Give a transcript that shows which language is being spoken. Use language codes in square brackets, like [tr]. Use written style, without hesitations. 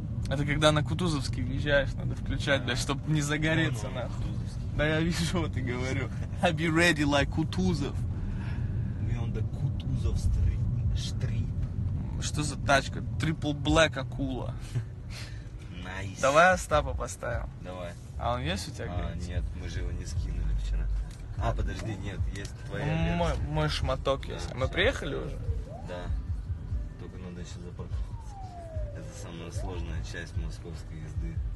[ru] Это когда на Кутузовский въезжаешь, надо включать, блядь, чтоб не загореться, нахуй. Да я вижу, что ты говорю. [en] I be ready like Кутузов. [ru] Не он до Кутузов стрип. Что за тачка? Triple Black Акула. [en] Nice. [ru] Давай Остапа поставим. Давай. А он есть у тебя? А, нет, мы же его не скинули вчера. А, подожди, нет, есть твоя. Мой шматок есть. Мы приехали уже? Да. Только надо еще запарковаться. Это самая сложная часть московской езды.